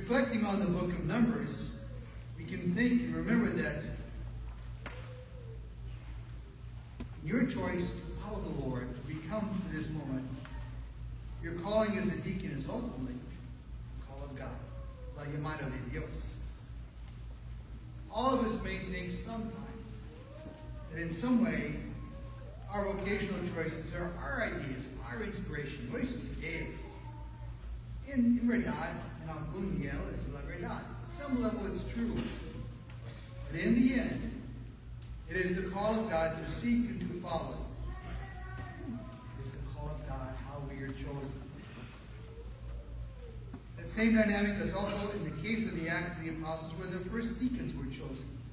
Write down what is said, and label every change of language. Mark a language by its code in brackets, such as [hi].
[en] Reflecting on the book of Numbers, we can think and remember that in your choice to follow the Lord, to become to this moment, your calling as a deacon is ultimately God, [es] la llamada de Dios. [en] All of us may think sometimes that in some way our vocational choices are our ideas, our inspiration, [es] nuestros ideas. In verdad, en algún nivel es la verdad. [en] At some level it's true. But in the end, it is the call of God to seek and to follow. It is the call of God how we are chosen. The same dynamic is also in the case of the Acts of the Apostles, where the first deacons were chosen.